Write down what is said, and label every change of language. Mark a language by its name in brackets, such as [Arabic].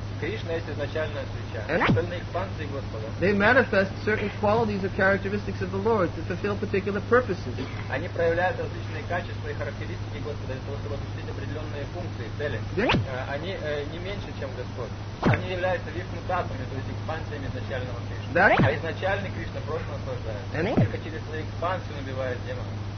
[Russian] Кришна есть изначальная свеча. Остальные экспансии Господа. [English] They manifest certain qualities or characteristics of the Lord to fulfill particular purposes. [Russian] Они проявляют различные качества и характеристики Господа для того, чтобы осуществить определенные функции, цели. Они не меньше, чем Господь. Они являются вихмутатами, то есть экспансиями изначального Кришны. А изначальный Кришна просто наслаждается. Только через свои экспансии он убивает демонов.